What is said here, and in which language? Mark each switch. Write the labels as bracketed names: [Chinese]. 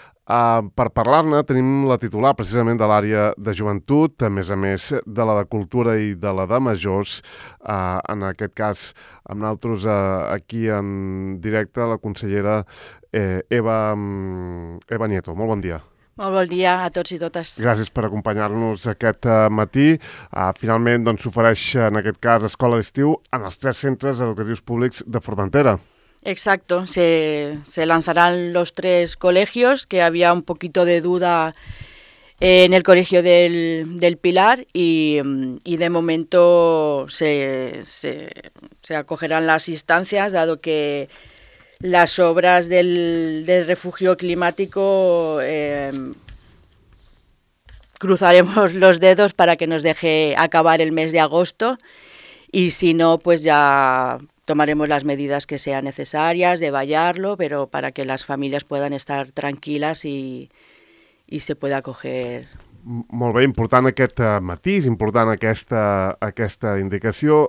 [Catalan] Per parlar-ne tenim la titular precisament de l'àrea de joventut, a més de la de cultura i de la de majors, en aquest cas amb nosaltres aquí en directe, la consellera Eva Nieto. Molt bon dia. Molt bon dia a tots i totes. Gràcies per acompanyar-nos aquest matí. Finalment s'ofereix doncs, en aquest cas escola d'estiu en els tres centres educatius públics de Formentera. [Spanish] Exacto, se lanzarán los tres colegios, que había un poquito de duda en el colegio del Pilar y de momento se acogerán las instancias, dado que las obras del refugio climático cruzaremos los dedos para que nos deje acabar el mes de agosto y si no, pues ya tomaremos las medidas que sean necesarias de vallarlo, pero para que las familias puedan estar tranquilas y se pueda acoger. [Catalan] Molt bé, important aquest matís, important aquesta indicació.